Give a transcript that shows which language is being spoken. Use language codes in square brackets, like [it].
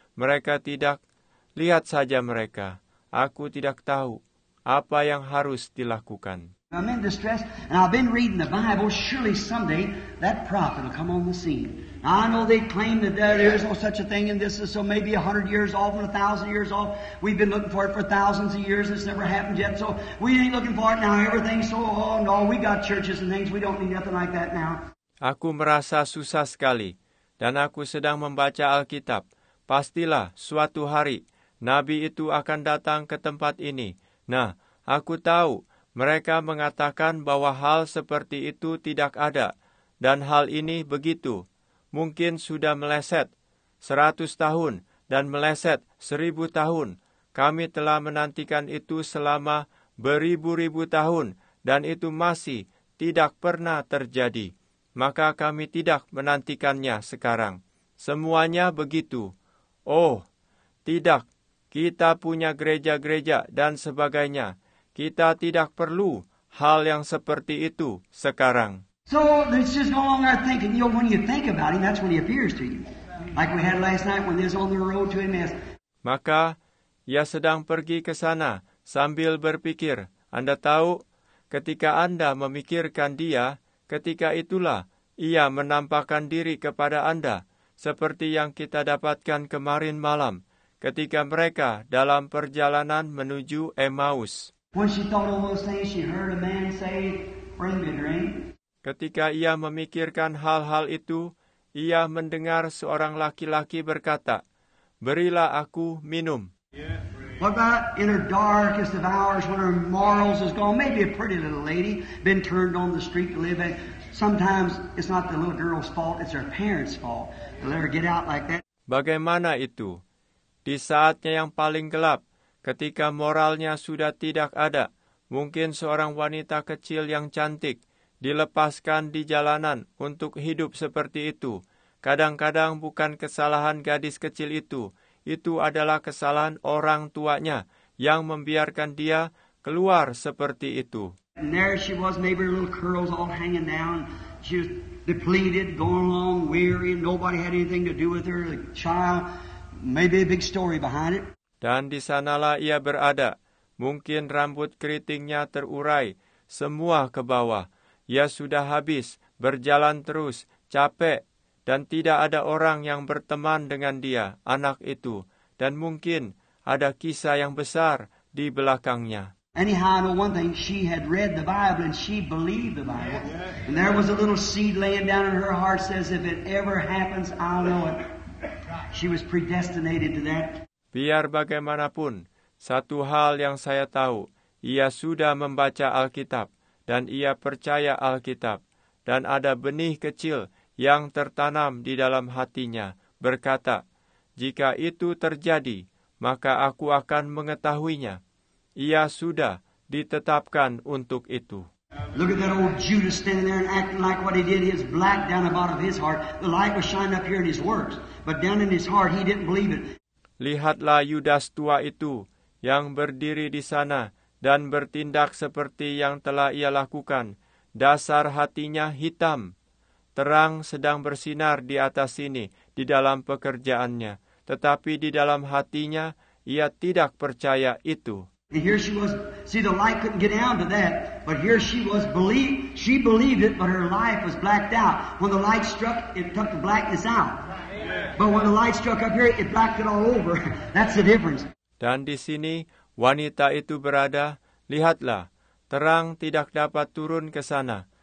[id] Mereka tidak, lihat saja mereka. Aku tidak tahu apa yang harus dilakukan. [en] I'm in distress, and I've been reading the Bible. Surely someday that prophet will come on the scene. Now, I know they claim that there is no such a thing, and this is so maybe 100 years off and 1,000 years off. We've been looking for it for thousands of years. It's never happened yet, so we ain't looking for it now. Everything's so on. Oh, no, we got churches and things. We don't need nothing like that now. [id] Aku merasa susah sekali, dan aku sedang membaca Alkitab. Pastilah suatu hari Nabi itu akan datang ke tempat ini. Nah, aku tahu mereka mengatakan bahwa hal seperti itu tidak ada. Dan hal ini begitu. Mungkin sudah meleset 100 tahun dan meleset 1,000 tahun. Kami telah menantikan itu selama beribu-ribu tahun dan itu masih tidak pernah terjadi. Maka kami tidak menantikannya sekarang. Semuanya begitu. Oh, tidak. Kita punya gereja-gereja dan sebagainya. Kita tidak perlu hal yang seperti itu sekarang. [en] So it's just no longer thinking. You know, when you think about him, that's when he appears to you. Like we had last night when he's on the road to Emmaus. [id] Maka ia sedang pergi ke sana sambil berpikir. Anda tahu, ketika Anda memikirkan dia, ketika itulah ia menampakkan diri kepada Anda, seperti yang kita dapatkan kemarin malam. Ketika mereka dalam perjalanan menuju Emmaus. [en] When she thought of those things, she heard a man say, "Bring me a drink." [id] Ketika ia memikirkan hal-hal itu, ia mendengar seorang laki-laki berkata, "Berilah aku minum." [en] Yeah, what about in her darkest of hours when her morals is gone? Maybe a pretty little lady been turned on the street to live in. Sometimes it's not the little girl's fault, it's her parents' fault. They let her get out like that. [id] Bagaimana itu? Di saatnya yang paling gelap, ketika moralnya sudah tidak ada, mungkin seorang wanita kecil yang cantik dilepaskan di jalanan untuk hidup seperti itu. Kadang-kadang bukan kesalahan gadis kecil itu adalah kesalahan orang tuanya yang membiarkan dia keluar seperti itu. [en] And there she was, maybe her little curls all hanging down. She was depleted, going along, weary, and nobody had anything to do with her, the child. Maybe a big story behind it. [id] Dan di sanalah ia berada. Mungkin rambut keritingnya terurai, semua ke bawah. Ia sudah habis, berjalan terus, capek. Dan tidak ada orang yang berteman dengan dia, anak itu. Dan mungkin ada kisah yang besar di belakangnya. [en] Anyhow, I know one thing. She had read the Bible and she believed the Bible. Yeah, yeah, yeah. And there was a little seed laying down in her heart, says, if it ever happens, I'll know it. She was predestinated to that. [id] Biar bagaimanapun, satu hal yang saya tahu, ia sudah membaca Alkitab dan ia percaya Alkitab. Dan ada benih kecil yang tertanam di dalam hatinya, berkata, jika itu terjadi, maka aku akan mengetahuinya. Ia sudah ditetapkan untuk itu. [en] Look at that old Judas standing there and acting like what he did. He was black down the bottom of his heart. The light was shining up here in his works, but down in his heart he didn't believe it. [id] Lihatlah Yudas tua itu yang berdiri di sana dan bertindak seperti yang telah ia lakukan. Dasar hatinya hitam. Terang sedang bersinar di atas sini di dalam pekerjaannya, tetapi di dalam hatinya ia tidak percaya itu. [en] And here she was, see the light couldn't get down to that, but here she was believed, she believed it, but her life was blacked out. When the light struck, it took the blackness out. But when the light struck up here, it blacked it all over. That's the difference. [id] Dan di sini, wanita itu berada, lihatlah, terang tidak dapat turun ke sana.